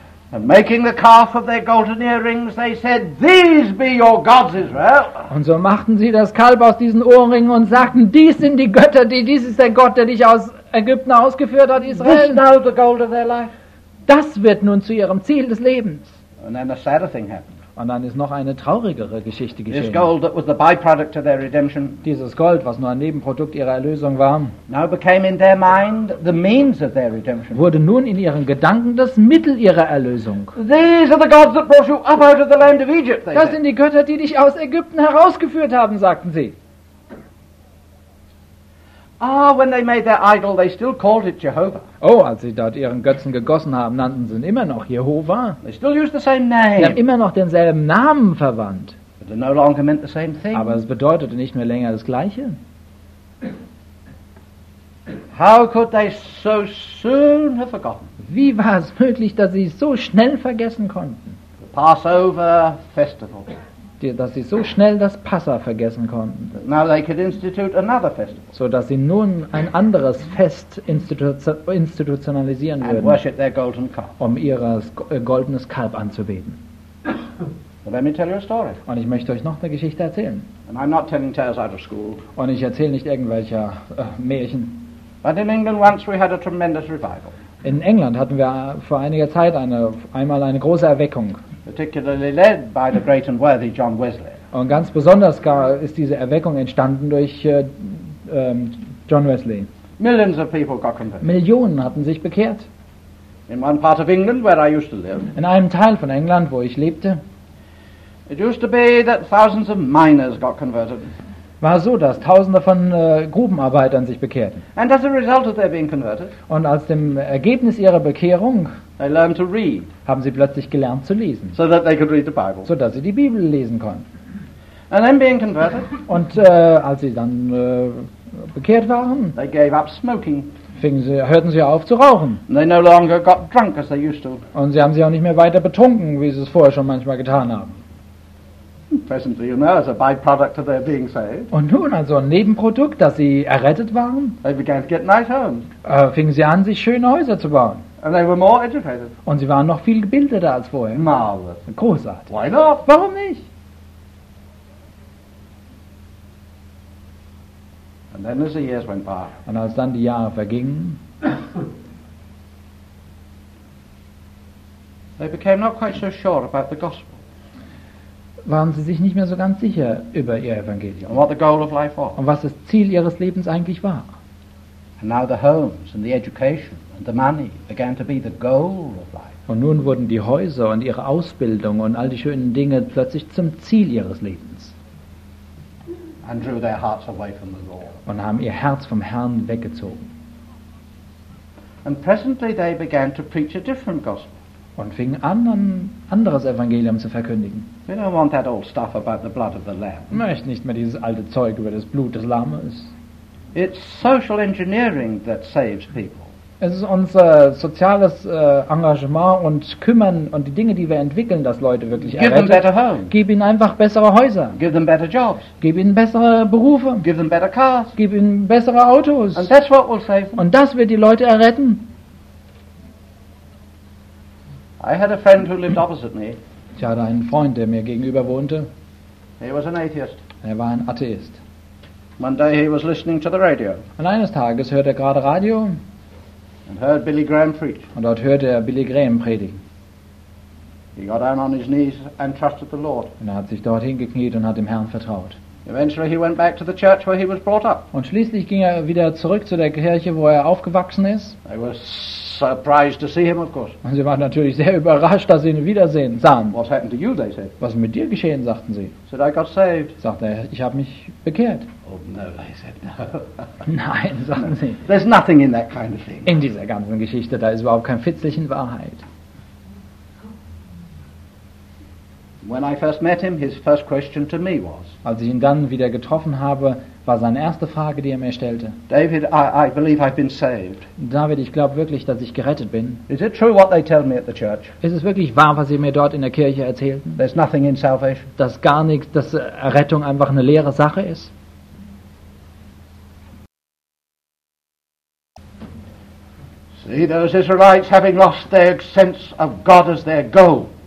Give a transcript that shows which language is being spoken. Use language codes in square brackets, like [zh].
[en] And making the calf of their golden earrings, they said, "These be your gods, Israel." [de] Und so machten sie das Kalb aus diesen Ohrringen und sagten, dies sind die Götter, die dies ist der Gott, der dich aus Ägypten ausgeführt hat, Israel. [en] This now the goal of their life. [de] Das wird nun zu ihrem Ziel des Lebens. [en] And then a sadder thing happened. [de] Und dann ist noch eine traurigere Geschichte geschehen. [en] This gold that was the byproduct of their redemption. [de] Dieses Gold, was nur ein Nebenprodukt ihrer Erlösung war, [en] now became in their mind the means of their redemption. [de] Wurde nun in ihren Gedanken das Mittel ihrer Erlösung. [en] These are the gods that brought you up out of the land of Egypt. [de] Das sind die Götter, die dich aus Ägypten herausgeführt haben, sagten sie. [en] Ah, when they made their idol, they still called it Jehovah. [de] Oh, als sie dort ihren Götzen gegossen haben, nannten sie ihn immer noch Jehovah. [en] They still used the same name. [de] Sie haben immer noch denselben Namen verwandt. [en] But it no longer meant the same thing. [de] Aber es bedeutete nicht mehr länger das Gleiche. [en] How could they so soon have forgotten? [de] Wie war es möglich, dass sie so schnell vergessen konnten? [en] The Passover festival. [de] Dass sie so schnell das Passa vergessen konnten. [en] Now they could institute another festival. [de] So dass sie nun ein anderes Fest institutionalisieren [en] and [de] würden. [en] Worship their golden calf. [de] Um ihr goldenes Kalb anzubeten. [en] Well, let me tell you a story. [de] Und ich möchte euch noch eine Geschichte erzählen. [en] And I'm not telling tales out of school. [de] Und ich erzähle nicht irgendwelche Märchen. [en] But in England once we had a tremendous revival. [de] In England hatten wir vor einiger Zeit einmal eine große Erweckung. [en] Particularly led by the great and worthy John Wesley. [de] Und ganz besonders ist diese Erweckung entstanden durch John Wesley. [en] Millions of people got converted. [de] Millionen hatten sich bekehrt. [en] In one part of England where I used to live. [de] In einem Teil von England, wo ich lebte. [en] It used to be that thousands of miners got converted. [de] War so, dass Tausende von Grubenarbeitern sich bekehrten. [en] And as a result of their being converted. [de] Und als dem Ergebnis ihrer Bekehrung. [en] They learned to read. [de] Haben sie plötzlich gelernt zu lesen. [en] So that they could read the Bible. [de] So dass sie die Bibel lesen konnten. [en] And then being converted. [de] Und als sie dann bekehrt waren. [en] They gave up smoking. [de] Hörten sie auf zu rauchen. [en] And they no longer got drunk as they used to. [de] Und sie haben sich auch nicht mehr weiter betrunken, wie sie es vorher schon manchmal getan haben. [en] Presently, you know, as a byproduct of their being saved. [de] Und nun also ein Nebenprodukt, dass sie errettet waren. [en] They began to get nice homes. [de] Fingen sie an, sich schöne Häuser zu bauen. [en] And they were more educated. [de] Und sie waren noch viel gebildeter als vorher. [en] Marvelous. [de] Großartig. [en] Why not? [de] Warum nicht? [en] And then as the years went by. [de] Und als dann die Jahre vergingen. [en] They became not quite so sure about the gospel. [de] Waren sie sich nicht mehr so ganz sicher über ihr Evangelium. [en] And what the goal of life was. [de] Und was das Ziel ihres Lebens eigentlich war. [en] And now the homes and the education and the money began to be the goal of life. [de] Und nun wurden die Häuser und ihre Ausbildung und all die schönen Dinge plötzlich zum Ziel ihres Lebens. [en] And drew their hearts away from the Lord. [de] Und haben ihr Herz vom Herrn weggezogen. [en] And presently they began to preach a different gospel. [de] Und fing an, ein anderes Evangelium zu verkündigen. [en] We don't want that old stuff about the blood of the lamb. [de] Möcht nicht mehr dieses alte Zeug über das Blut des Lammes. [en] It's social engineering that saves people. [de] Es ist unser soziales Engagement und Kümmern und die Dinge, die wir entwickeln, dass Leute wirklich errettet. [en] Give them better homes. [de] Gib ihnen einfach bessere Häuser. [en] Give them better jobs. [de] Gib ihnen bessere Berufe. [en] Give them better cars. [de] Gib ihnen bessere Autos. [en] And that's what will save them. [de] Und das wird die Leute erretten. [en] I had a friend who lived opposite me. [de] Ich hatte einen Freund, der mir gegenüber wohnte. [en] He was an atheist. [de] Er war ein Atheist. [en] One day he was listening to the radio. [de] Und eines Tages hörte er gerade Radio. [en] And heard Billy Graham preach. [de] Und dort hörte er Billy Graham predigen. [en] He got down on his knees and trusted the Lord. [de] Und er hat sich dort hingekniet und hat dem Herrn vertraut. [en] Eventually he went back to the church where he was brought up. [de] Und schließlich ging er wieder zurück zu der Kirche, wo er aufgewachsen ist. [en] I was surprised to see him, of course. [de] Und sie waren natürlich sehr überrascht, dass sie ihn wiedersehen sahen. [en] What happened to you, they said. [de] Was ist mit dir geschehen, sagten sie. [en] Said I got saved. [de] Sagte er, ich habe mich bekehrt. [en] Oh no, they said no. [de] Nein, sagten sie. [en] There's nothing in that kind of thing. [de] In dieser ganzen Geschichte, da ist überhaupt kein Fitzelchen Wahrheit. [en] When I first met him, his first question to me was, [de] als ich ihn dann wieder getroffen habe, war seine erste Frage, die er mir stellte: [en] David, I believe I've been saved. [de] David, ich glaube wirklich, dass ich gerettet bin. [en] Is it true what they tell me at the church? [de] Ist es wirklich wahr, was sie mir dort in der Kirche erzählten? [en] There's nothing in salvation. [de] Dass gar nichts, dass Errettung einfach eine leere Sache ist. [en] See those Israelites having lost their sense of God as their goal.